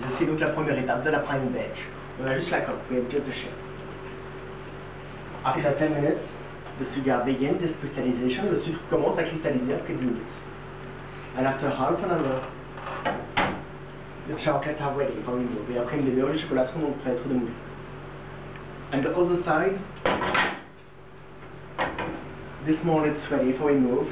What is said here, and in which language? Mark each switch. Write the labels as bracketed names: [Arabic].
[English] This is the first step of the praline belge. We have just like cook, we have just the shell. After 10 minutes, the sugar begins this crystallization, [French] le sucre commence à cristalliser après 10 minutes. [English] And after half an hour, the chocolate are ready for removal. [French] Et après une demi-heure, les chocolats sont donc prêts à être démoulés. [English] And the other side, this mold is ready for removal.